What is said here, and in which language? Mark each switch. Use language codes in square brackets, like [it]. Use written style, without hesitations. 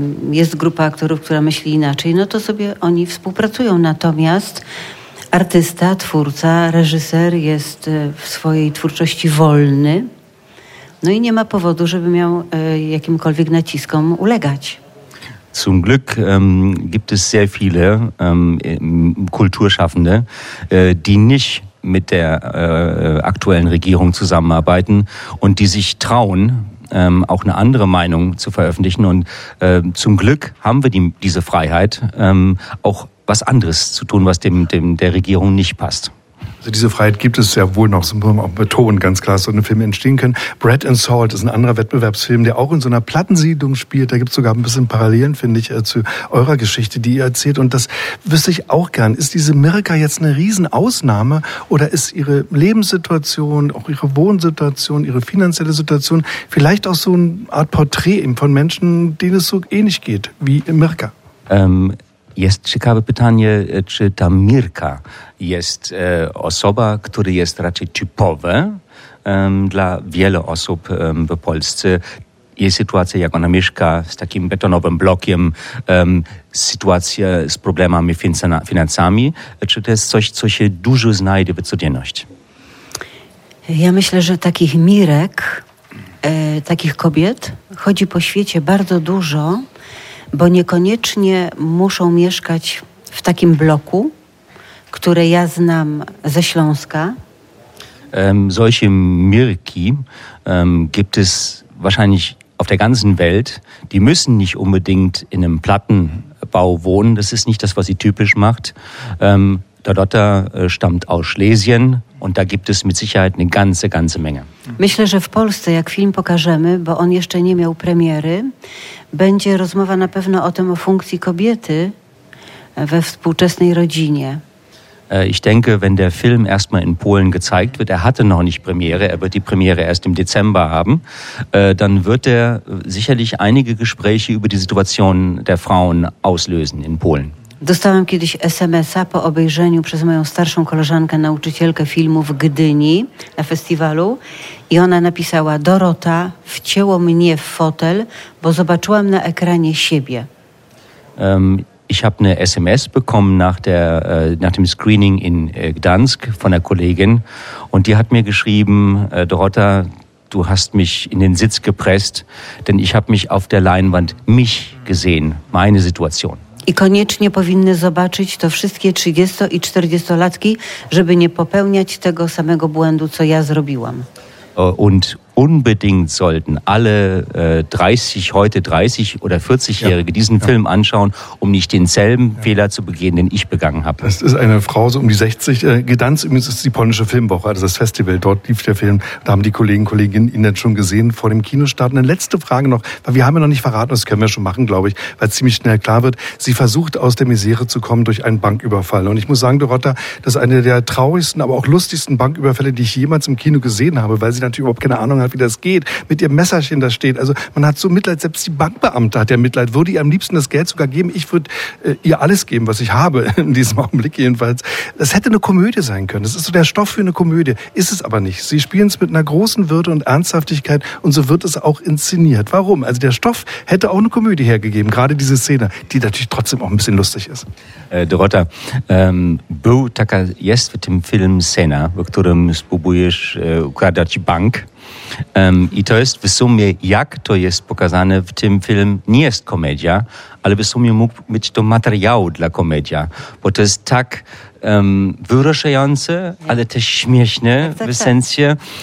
[pl] Jest grupa aktorów, która myśli inaczej, no to sobie oni współpracują. Natomiast artysta, twórca, reżyser jest w swojej twórczości wolny. No i nie ma powodu, żeby miał jakimkolwiek naciskom ulegać. [de] Zum Glück gibt es sehr viele Kulturschaffende, die nicht mit der aktuellen Regierung zusammenarbeiten und die sich trauen, auch eine andere Meinung zu veröffentlichen. Und zum Glück haben wir diese Freiheit, auch was anderes zu tun, was der Regierung nicht passt. Also diese Freiheit gibt es ja wohl noch, so muss man auch betonen, ganz klar, dass so eine Filme entstehen können. Bread and Salt ist ein anderer Wettbewerbsfilm, der auch in so einer Plattensiedlung spielt. Da gibt es sogar ein bisschen Parallelen, finde ich, zu eurer Geschichte, die ihr erzählt. Und das wüsste ich auch gern. Ist diese Mirka jetzt eine Riesenausnahme oder ist ihre Lebenssituation, auch ihre Wohnsituation, ihre finanzielle Situation vielleicht auch so eine Art Porträt eben von Menschen, denen es so ähnlich geht wie Mirka? [pl] Jest ciekawe pytanie, czy ta Mirka jest osoba, która jest raczej typowa dla wielu osób w Polsce. Jest sytuacja, jak ona mieszka z takim betonowym blokiem, sytuacja z problemami finansami, czy to jest coś, co się dużo znajdzie w codzienności? Ja myślę, że takich Mirek, takich kobiet chodzi po świecie bardzo dużo, bo niekoniecznie muszą mieszkać w takim bloku, które ja znam ze Śląska. [de] Solche Mirki gibt es wahrscheinlich auf der ganzen Welt. Die müssen nicht unbedingt in einem Plattenbau wohnen. Das ist nicht das, was sie typisch macht. Dorota stammt aus Schlesien und da gibt es mit Sicherheit eine ganze, ganze Menge. [pl] Myślę, że w Polsce, jak film pokażemy, bo on jeszcze nie miał premiery, będzie rozmowa na pewno o tym, o funkcji kobiety we współczesnej rodzinie. [de] Ich denke, wenn der Film erstmal in Polen gezeigt wird, er hatte noch nicht Premiere, er wird die Premiere erst im Dezember haben, dann wird er sicherlich einige Gespräche über die Situation der Frauen auslösen in Polen. [pl] Dostałam kiedyś SMS-a po obejrzeniu przez moją starszą koleżankę, nauczycielkę filmu w Gdyni na festiwalu i ona napisała: Dorota, wcięło mnie w fotel, bo zobaczyłam na ekranie siebie. [de] Ich habe eine SMS bekommen nach dem Screening in Gdansk von einer Kollegin und die hat mir geschrieben: Dorota, du hast mich in den Sitz gepresst, denn ich habe mich auf der Leinwand mich gesehen, meine Situation. [pl] I koniecznie powinny zobaczyć to wszystkie 30- i 40-latki, żeby nie popełniać tego samego błędu, co ja zrobiłam. [de] Und unbedingt sollten alle 30, heute 30 oder 40-Jährige diesen Film anschauen, um nicht denselben Fehler zu begehen, den ich begangen habe. Das ist eine Frau so um die 60. Gdansk, übrigens ist die polnische Filmwoche, also das Festival. Dort lief der Film. Da haben die Kollegen, Kolleginnen ihn dann schon gesehen vor dem Kinostart. Und eine letzte Frage noch, weil wir haben ja noch nicht verraten, das können wir schon machen, glaube ich, weil es ziemlich schnell klar wird. Sie versucht, aus der Misere zu kommen durch einen Banküberfall. Und ich muss sagen, Dorota, das ist eine der traurigsten, aber auch lustigsten Banküberfälle, die ich jemals im Kino gesehen habe, weil sie natürlich überhaupt keine Ahnung hat, wie das geht, mit ihrem Messerchen da steht. Also man hat so Mitleid, selbst die Bankbeamte hat ja Mitleid. Würde ihr am liebsten das Geld sogar geben? Ich würde ihr alles geben, was ich habe, in diesem Augenblick jedenfalls. Das hätte eine Komödie sein können. Das ist so der Stoff für eine Komödie. Ist es aber nicht. Sie spielen es mit einer großen Würde und Ernsthaftigkeit und so wird es auch inszeniert. Warum? Also der Stoff hätte auch eine Komödie hergegeben, gerade diese Szene, die natürlich trotzdem auch ein bisschen lustig ist. [pl] Dorota, był taka jest w tym film scena, w którym spróbujesz układać bank. I to jest w sumie, jak to jest pokazane w tym film, nie jest komedia, ale w sumie mógł być to materiał dla komedia, bo to jest tak wyruszające, ale też śmieszne w sensie.